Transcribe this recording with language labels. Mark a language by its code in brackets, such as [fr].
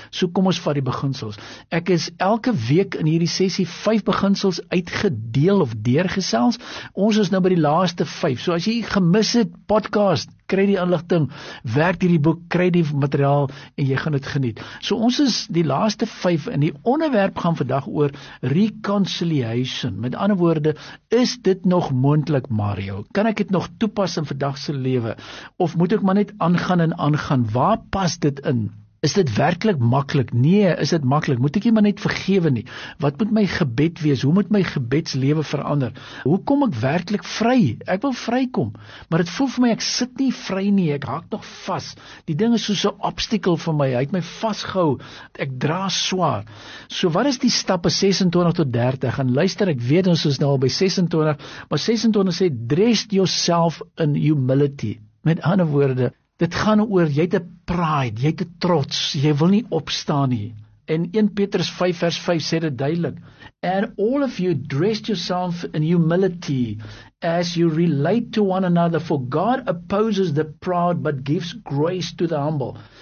[af] So kom ons vat die beginsels. Ek is elke week in hierdie sessie 5 beginsels uitgedeel of deurgesels. Ons is nou by die laaste 5. So as jy gemis het, podcast, kry die inligting, werk hierdie boek, kry die materiaal en jy gaan dit geniet. So ons is die laaste 5 en die onderwerp gaan vandag oor reconciliation. Met ander woorde, is dit nog moontlik, Mario? Kan ek dit nog toepas in vandagse lewe? Of moet ek maar net aangaan en aangaan? Waar pas dit in? Is dit werklik maklik? Nee, is dit maklik? Moet ek jy maar net vergewe nie? Wat moet my gebed wees? Hoe moet my gebedslewe verander? Hoe kom ek werklik vry? Ek wil vry kom, maar het voel vir my, ek sit nie vry nie, ek haak nog vas. Die ding is soos 'n obstakel vir my, hy het my vasgehou, ek dra swaar. So wat is die stappe 26 tot 30? En luister, ek weet ons is nou al by 26, maar 26 sê, [en] dress yourself in humility. [af] Met ander woorde, dit gaan oor, jy het 'n pride, jy het 'n trots, jy wil nie opstaan nie. En 1 Petrus 5 vers 5 sê dit duidelik. [en] And all of you dress yourself in humility as you relate to one another, for God opposes the proud but gives grace to the humble.